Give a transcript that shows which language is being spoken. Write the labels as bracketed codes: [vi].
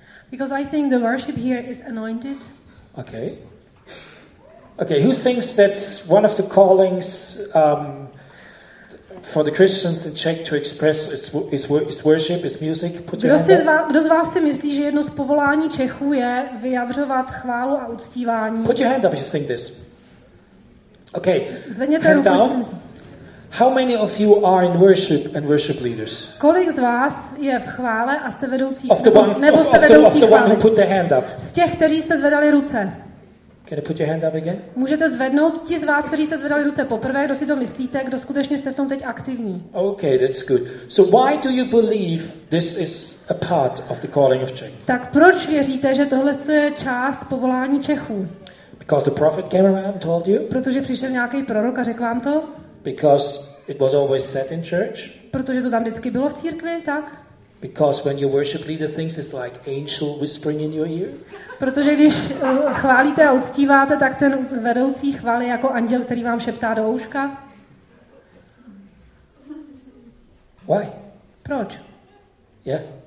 [en] Because I think the worship here is anointed. Okay. Okay, who thinks that one of the callings for the Christians in Czech to express is worship, is music? [cs] Kdo z vás si myslí, že jedno z povolání Čechů je vyjadřovat chválu a uctívání? [en] Put your hand up if you think this. Okay. [cs] Zvedněte [en] hand [cs] ruku, [en] down. How many of you are in worship and worship leaders? [cs] Kolik z vás je v chvále a jste vedoucí chvály? Z těch, kteří jste zvedali ruce. [en] Can I put your hand up again? [cs] Můžete zvednout ti z vás, kteří jste zvedali ruce poprvé, kdo si to myslíte, kdo skutečně jste v tom teď aktivní. [en] Okay, that's good. So why do you believe this is a part of the calling of Czech? [cs] Tak proč věříte, že tohle je část povolání Čechů? [en] Because the prophet came around and told you? [cs] Protože přišel nějaký prorok a řekl vám to? [en] Because it was always said in church? [cs] Protože to tam vždycky bylo v církvi, tak? [en] Because when you worship leader things is like angel whispering in your ear. [cs] Protože když chválíte a uctíváte, tak ten vedoucí chvály jako anděl, který vám šeptá do ouška. [en] Why? [cs] Proč? [en] Yeah.